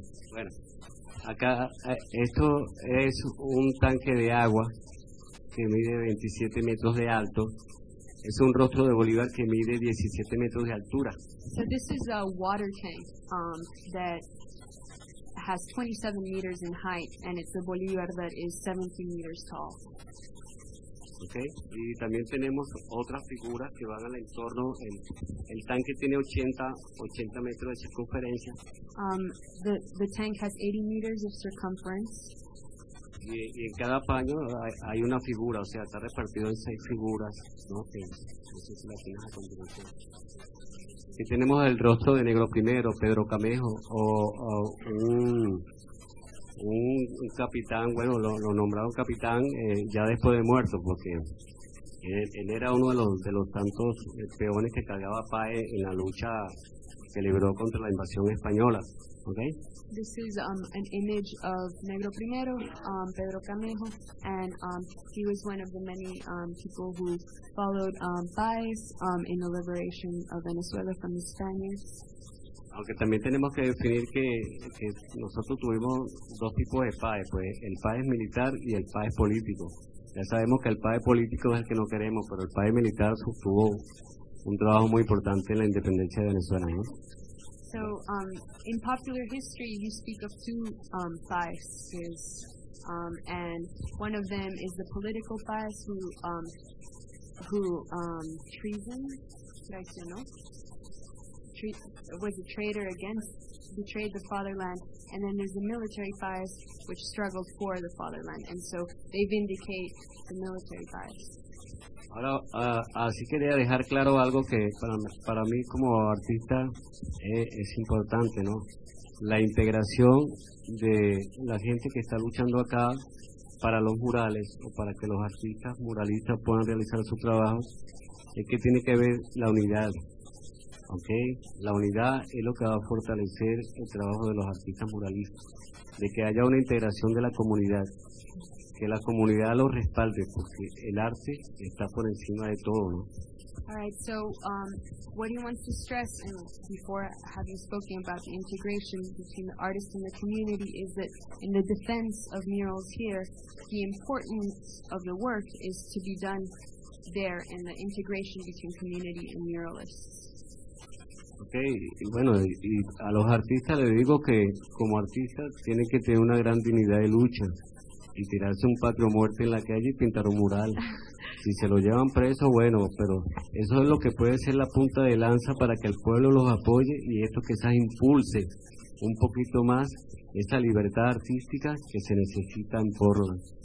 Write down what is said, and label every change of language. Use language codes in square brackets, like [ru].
[es] Bueno, acá esto es un tanque de agua que mide 27 metros de alto. Es un rostro de Bolívar que mide 17 metros de altura. [en] So this is a water tank that has 27 meters in height, and it's the Bolívar that is 17 meters tall. Okay. [es] Y también tenemos otras figuras que van al entorno. El tanque tiene 80 metros de circunferencia. [en] The tank has 80 meters of circumference. [es] Y en cada paño hay una figura, o sea, está repartido en 6 figuras, ¿no? Entonces, si la tienes a continuación. Y tenemos el rostro de Negro Primero, Pedro Camejo, o un capitán, bueno, lo nombraron capitán ya después de muerto, porque él era uno de los tantos peones que cargaba Páez en la lucha que libró contra la invasión española. [en] Okay. This is an image of Negro Primero, Pedro Camejo, and he was one of the many people who followed Páez in the liberation of Venezuela from the Spaniards. [es] Aunque también tenemos que definir que nosotros tuvimos dos tipos de Páez, pues el Páez militar y el Páez político. Ya sabemos que el Páez político es el que no queremos, pero el Páez militar tuvo un trabajo muy importante en la independencia de Venezuela, ¿no? [en] So, in popular history, you speak of two Páez, and one of them is the political Páez who treason, right, you know, was a traitor against, betrayed the fatherland, and then there's the military Páez, which struggled for the fatherland, and so they vindicate the military Páez. [es] Ahora, así quería dejar claro algo que para mí como artista es importante, ¿no? La integración de la gente que está luchando acá para los murales o para que los artistas muralistas puedan realizar su trabajo es que tiene que ver la unidad, ¿ok? La unidad es lo que va a fortalecer el trabajo de los artistas muralistas, de que haya una integración de la comunidad. Que la comunidad lo respalde, porque el arte está por encima de todo, ¿no? [en] All right, so what he wants to stress, and before having spoken about the integration between the artist and the community, is that in the defense of murals here, the importance of the work is to be done there in the integration between community and muralists. [es] Okay, y bueno, y a los artistas les digo que como artistas tienen que tener una gran dignidad de lucha. Y tirarse un patio muerto en la calle y pintar un mural. Si se lo llevan preso, bueno, pero eso es lo que puede ser la punta de lanza para que el pueblo los apoye y esto quizás impulse un poquito más esa libertad artística que se necesita en Portland.